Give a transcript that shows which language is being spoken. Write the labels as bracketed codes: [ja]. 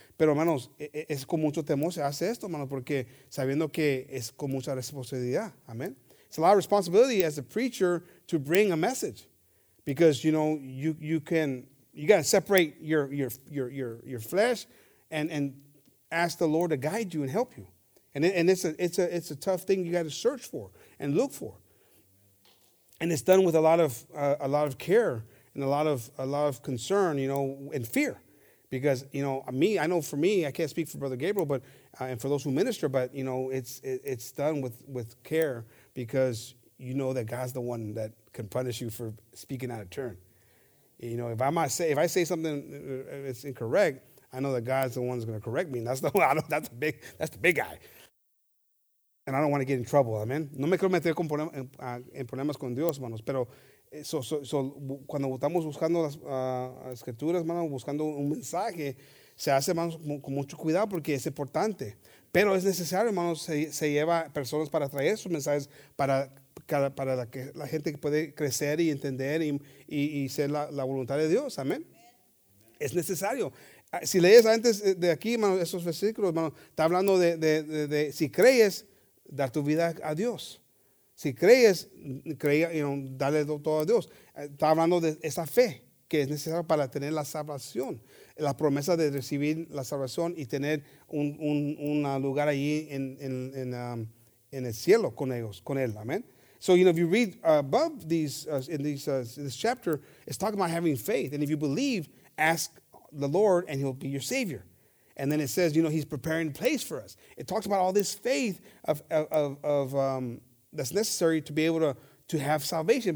[es] Pero, hermanos, es con mucho temor se hace esto, hermanos, porque sabiendo que es con mucha responsabilidad, amén. [en] It's a lot of responsibility as a preacher to bring a message. Because, you know, you got to separate your flesh and ask the Lord to guide you and help you. And it's a tough thing you got to search for and look for. And it's done with a lot of care and a lot of concern, you know, and fear. Because, you know, I know for me, I can't speak for Brother Gabriel, but and for those who minister, but, you know, it's done with care because you know that God's the one that can punish you for speaking out of turn. You know, if I say something it's incorrect, I know that God's the one that's going to correct me. And that's the big guy. And I don't want to get in trouble, amen. [es] No me quiero meter en problemas con Dios, hermanos. Pero so cuando estamos buscando las escrituras, hermanos, buscando un mensaje, se hace, hermanos, con mucho cuidado porque es importante. Pero es necesario, hermanos, se lleva personas para traer sus mensajes para que la gente puede crecer y entender y ser la voluntad de Dios, amén. Es necesario. Si lees antes de aquí, hermanos, esos versículos, hermanos, está hablando de si crees, dar tu vida a Dios. Si crees, darle todo a Dios. Está hablando de esa fe que es necesaria para tener la salvación, la promesa de recibir la salvación y tener un lugar allí en el cielo con ellos, con él. [en] Amen. So, you know, if you read above these, this chapter, it's talking about having faith. And if you believe, ask the Lord and he'll be your savior. And then it says, you know, he's preparing a place for us. It talks about all this faith of that's necessary to be able to have salvation.